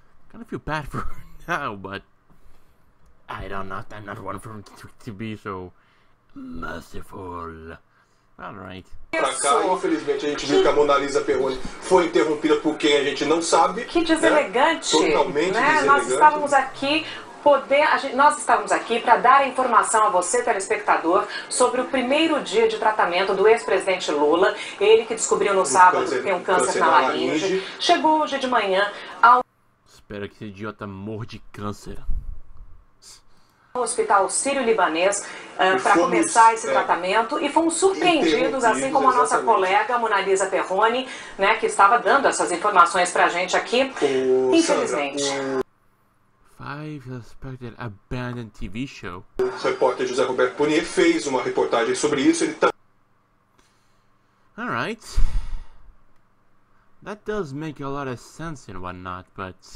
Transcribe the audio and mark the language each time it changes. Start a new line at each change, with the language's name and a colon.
English: Kind of feel bad for her now, but I don't know. I'm not one for them to be so merciful. Alright.
Portuguese: Pra cá, infelizmente, a gente viu que a Mona Lisa Perrone foi interrompida por quem a gente não sabe. Que deselegante! Totalmente deselegante. Nós estávamos aqui poder... Nós estamos aqui para dar informação a você, telespectador, sobre o primeiro dia de tratamento do ex-presidente Lula. Ele que descobriu no sábado que tem um câncer na laringe. Chegou hoje de manhã ao... Espero que esse idiota morra de câncer. No hospital sírio-libanês para começar esse tratamento e fomos surpreendidos, assim como a nossa colega Monalisa Perrone, né, que estava dando essas informações para a gente aqui, infelizmente.
English: Five Suspected Abandoned TV Show.
Portuguese: O repórter José Roberto Pounier fez uma reportagem sobre isso. Ele tá...
English: Alright. That does make a lot of sense and whatnot, but...